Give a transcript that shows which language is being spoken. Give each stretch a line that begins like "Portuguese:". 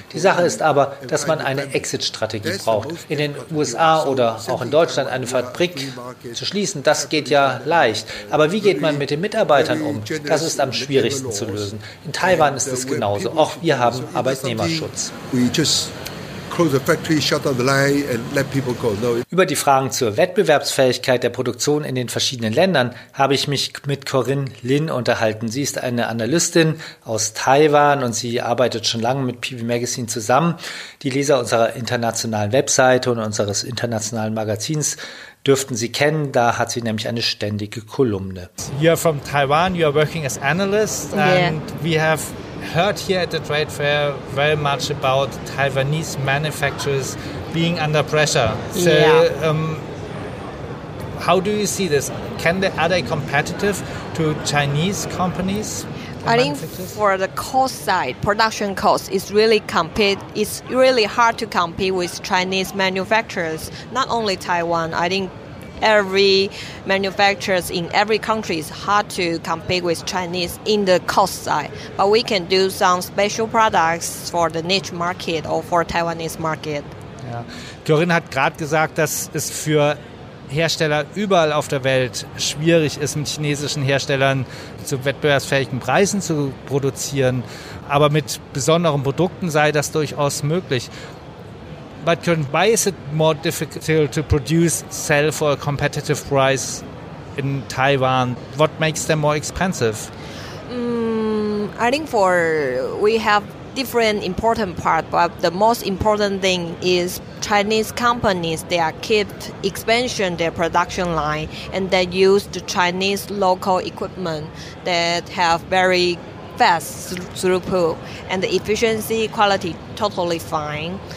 German: Die Sache ist aber, dass man eine Exit-Strategie braucht. In den USA oder auch in Deutschland eine Fabrik zu schließen, das geht ja leicht. Aber wie geht man mit den Mitarbeitern um? Das ist am schwierigsten zu lösen. In Taiwan ist es genauso. Auch wir haben Arbeitnehmerschutz.
English: We just close the factory, shut down the line and let people go. No.
German: Über die Fragen zur Wettbewerbsfähigkeit der Produktion in den verschiedenen Ländern habe ich mich mit Corinne Lin unterhalten. Sie ist eine Analystin aus Taiwan und sie arbeitet schon lange mit PV Magazine zusammen. Die Leser unserer internationalen Webseite und unseres internationalen Magazins dürften sie kennen. Da hat sie nämlich eine ständige Kolumne.
English: You're from Taiwan, you're working as analyst and yeah. We have heard here at the trade fair very much about Taiwanese manufacturers being under pressure. So, yeah. How do you see this? Are they competitive to Chinese companies? I think for the cost side, production cost is really It's really hard to compete with Chinese manufacturers. Not only Taiwan. I think every manufacturers in every country is hard to compete with Chinese in the cost side. But we can do some special products for the niche market or for Taiwanese market. Yeah.
German: Corinne hat gerade gesagt, dass es für Hersteller überall auf der Welt schwierig ist, mit chinesischen Herstellern zu wettbewerbsfähigen Preisen zu produzieren. Aber mit besonderen Produkten sei das durchaus möglich.
English: But why is it more difficult to produce, sell for a competitive price in Taiwan? What makes them more expensive? I think for we have different important part, but the most important thing is Chinese companies, they are keep expansion their production line and they use the Chinese local equipment that have very fast throughput and the efficiency quality totally fine.